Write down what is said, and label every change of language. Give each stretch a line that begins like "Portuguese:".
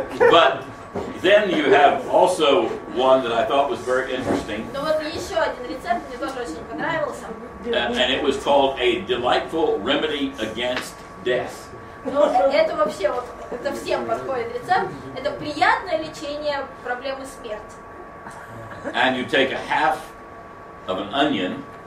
English: But then you have also one that I thought was very interesting.
Russian: Ну вот еще один рецепт мне тоже очень понравился.
English: And it was called a delightful remedy against death.
Russian: Ну это вообще вот это всем подходит рецепт. Это приятное лечение проблемы смерти.
English: And you take a half of an onion.